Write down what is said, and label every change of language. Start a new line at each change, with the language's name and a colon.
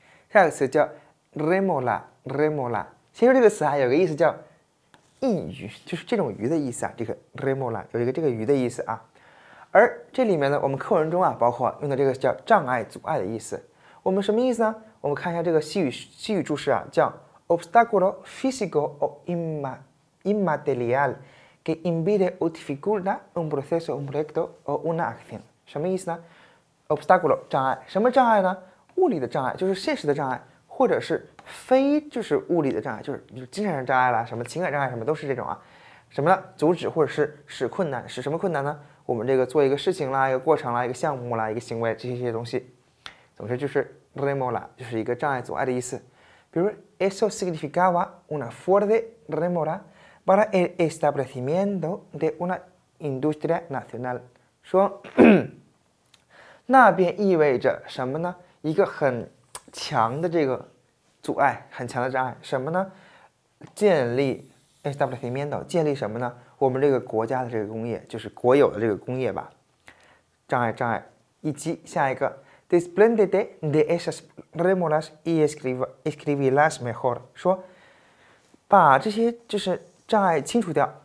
Chinese: 下一个词叫 remola， 先说这个词啊，有个意思叫一鱼，就是这种鱼的意思啊，这个 remola 有一个这个鱼的意思啊。而这里面呢，我们课文中啊，包括用的这个叫障碍、阻碍的意思。我们什么意思呢？我们看一下这个西语注释啊，叫
Spanish: obstáculo físico o inmaterial que impide o dificulta un proceso, un proyecto o una acción。
Chinese: 什么意思呢？ obstáculo 障碍，什么障碍呢？物理的障碍就是现实的障碍，或者是非就是物理的障碍，就是精神上障碍了，什么情感障碍，什么都是这种啊。什么呢？阻止或者是使困难，使什么困难呢？我们这个做一个事情啦，一个过程啦，一个项目啦，一个行为，这些东西，总之就是 remora， 就是一个障碍阻碍的意思。
Spanish: 比如 eso significaba una fuerte remora para el establecimiento de una industria nacional，
Chinese: 说那边意味着什么呢？一个很强的这个阻碍，很强的障碍，什么呢？建立 establecimiento， 建立什么呢？我们这个国家的这个工业，就是国有的这个工业吧。障碍，以及下一个
Spanish: desprendete de esas remoras y escribirlas mejor，
Chinese: 说把这些就是障碍清除掉。